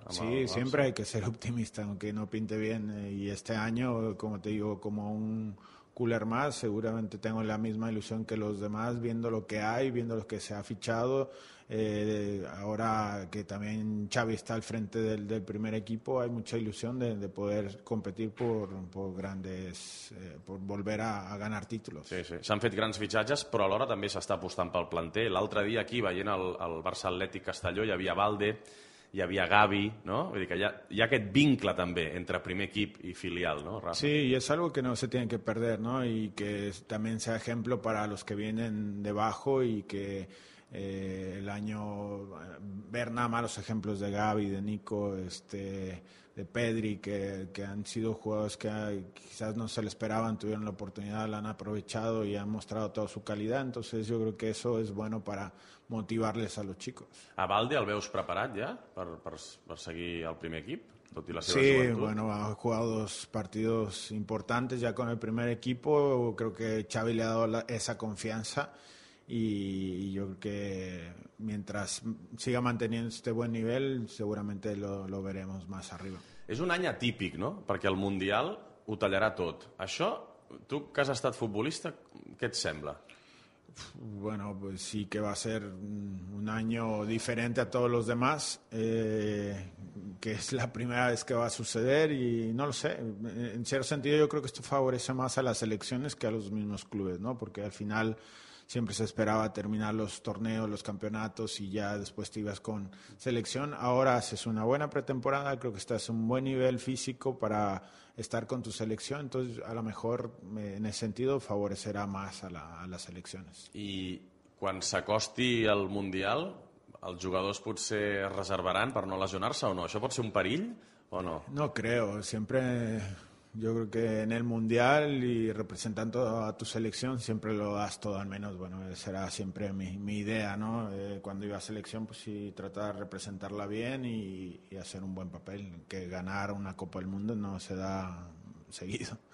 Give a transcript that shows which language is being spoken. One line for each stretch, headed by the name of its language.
Spanish: Sí, siempre hay que ser optimista, aunque no pinte bien. Y este año, como te digo, como un cooler más, seguramente tengo la misma ilusión que los demás, viendo lo que hay, viendo lo que se ha fichado. Ahora que también Xavi está al frente del primer equipo, hay mucha ilusión de poder competir por grandes, por volver a ganar títulos. Sí, sí.
Catalan: S'han fet grans fitxatges, però alhora també s'està apostant pel planter. L'altre dia aquí, veient el Barça Atlètic Castelló, hi havia Balde, hi havia Gavi, no? Vull dir que hi ha aquest vincle també entre primer equip i filial, no, Rafa?
Spanish: Sí, y es algo que no se tiene que perder, ¿no? Y que también sea ejemplo para los que vienen debajo, y que el año ver nada más los ejemplos de Gavi, de Nico, de Pedri, que han sido jugadores que quizás no se le esperaban, tuvieron la oportunidad, la han aprovechado y han mostrado toda su calidad. Entonces yo creo que eso es bueno para motivarles a los chicos.
Catalan: A Balde el veus preparat ja per seguir al primer equip? Tot i la seva sí, joventut.
Spanish: Bueno, ha jugado dos partidos importantes ya con el primer equipo. Creo que Xavi le ha dado esa confianza. Y yo creo que mientras siga manteniendo este buen nivel, seguramente lo veremos más arriba.
Catalan: És un any atípic, no? Perquè el Mundial ho tallarà tot. Això, tu que has estat futbolista, què et sembla?
Spanish: Bueno, pues sí que va a ser un año diferente a todos los demás, que es la primera vez que va a suceder y no lo sé. En cierto sentido yo creo que esto favorece más a las selecciones que a los mismos clubes, ¿no? Porque al final siempre se esperaba terminar los torneos, los campeonatos y ya después te ibas con selección. Ahora haces una buena pretemporada, creo que estás a un buen nivel físico para estar con tu selección. Entonces, a lo mejor, en ese sentido, favorecerá más a las selecciones.
Catalan: I quan s'acosti el Mundial, els jugadors potser es reservaran per no lesionar-se o no? Això pot ser un perill o no?
Spanish: No creo, siempre... Yo creo que en el Mundial y representando a tu selección siempre lo das todo, al menos, bueno, será siempre mi idea, ¿no? Cuando iba a selección, pues sí, tratar de representarla bien y hacer un buen papel, que ganar una Copa del Mundo no se da seguido.